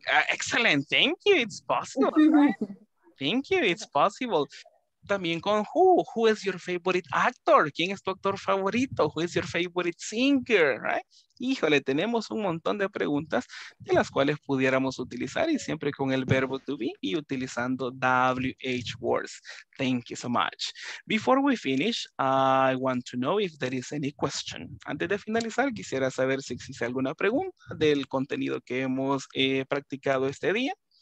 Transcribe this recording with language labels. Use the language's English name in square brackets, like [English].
[English] Excellent, thank you, it's possible. Right? Thank you, it's possible. [Spanish] También con who. [English] Who is your favorite actor? [Spanish] ¿Quién es tu actor favorito? [English] Who is your favorite singer? Right? [Spanish] Híjole, tenemos un montón de preguntas de las cuales pudiéramos utilizar y siempre con el verbo to be y utilizando WH words. [English] Thank you so much. Before we finish, I want to know if there is any question. [Spanish] Antes de finalizar, quisiera saber si existe alguna pregunta del contenido que hemos practicado este día.